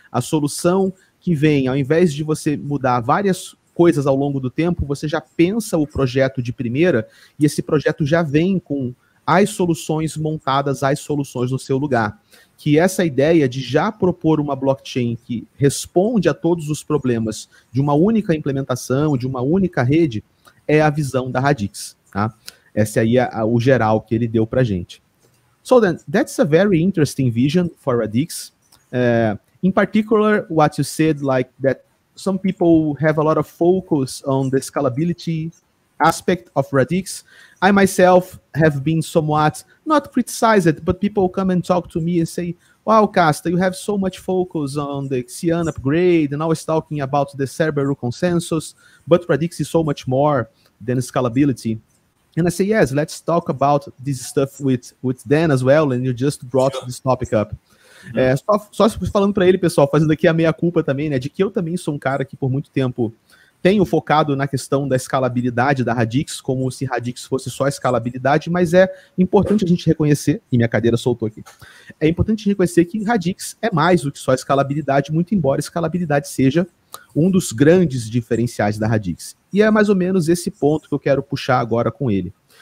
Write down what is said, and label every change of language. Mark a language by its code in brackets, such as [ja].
[pt] A solução que vem, ao invés de você mudar várias coisas ao longo do tempo, você já pensa o projeto de primeira e esse projeto já vem com as soluções montadas, as soluções no seu lugar. Que essa ideia de já propor uma blockchain que responde a todos os problemas de uma única implementação, de uma única rede, é a visão da Radix. Tá? Esse aí é o geral que ele deu para a gente. [en] So then, that's a very interesting vision for Radix. In particular, what you said, like that some people have a lot of focus on the scalability aspect of Radix. I myself have been somewhat, not criticized, but people come and talk to me and say, wow, Casta, you have so much focus on the Xian upgrade and always talking about the Cerberus consensus, but Radix is so much more than scalability. And I say, yes, let's talk about this stuff with Dan as well, and you just brought this topic up. [pt] Só falando para ele, pessoal, fazendo aqui a meia-culpa também, né, de que eu também sou um cara que por muito tempo tenho focado na questão da escalabilidade da Radix, como se Radix fosse só escalabilidade, mas é importante a gente reconhecer, e minha cadeira soltou aqui, é importante reconhecer que Radix é mais do que só escalabilidade, muito embora escalabilidade seja um dos grandes diferenciais da Radix. E é mais ou menos esse ponto que eu quero puxar agora com ele.